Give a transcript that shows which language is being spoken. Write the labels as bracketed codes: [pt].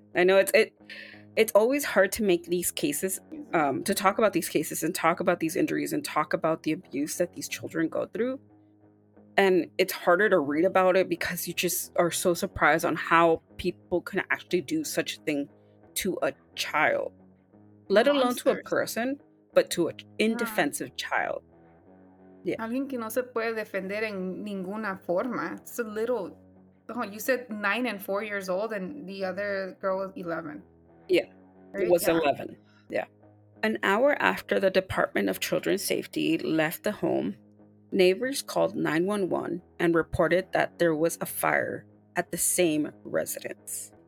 [en] It's always hard to make these cases, to talk about these cases and talk about these injuries and talk about the abuse that these children go through. And it's harder to read about it because you just are so surprised on how people can actually do such a thing to a child, let alone to a person, but to an indefensive child. Yeah. [es] Alguien que no se puede defender en ninguna forma. [en] It's a little, you said 9 and 4 years old and the other girl was 11. Yeah, it was 11. Yeah. An hour after the Department of Children's Safety left the home, neighbors called 911 and reported that there was a fire at the same residence.